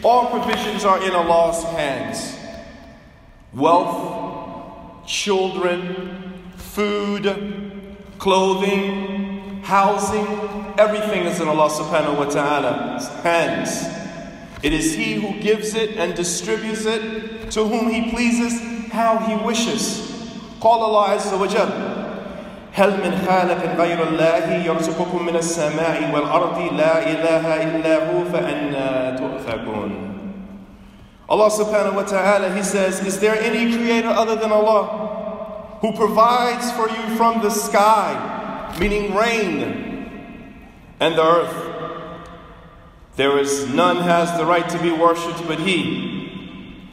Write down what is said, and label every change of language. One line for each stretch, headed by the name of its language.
English: All provisions are in Allah's hands. Wealth, children, food, clothing, housing, everything is in Allah subhanahu wa ta'ala's hands. It is He who gives it and distributes it to whom He pleases, how He wishes.
Arabic: Qala Allah azza wa jal, هَلْ مِنْ خَالَقٍ غَيْرُ اللَّهِ يَرْزُقُكُمْ مِنَ السَّمَاءِ وَالْأَرْضِ لَا إِلَهَ إِلَّا هُوَ فَأَنَّا تُؤْفَكُونَ.
English: Allah subhanahu wa ta'ala, He says, is there any creator other than Allah who provides for you from the sky, meaning rain, and the earth. There is none has the right to be worshipped but He.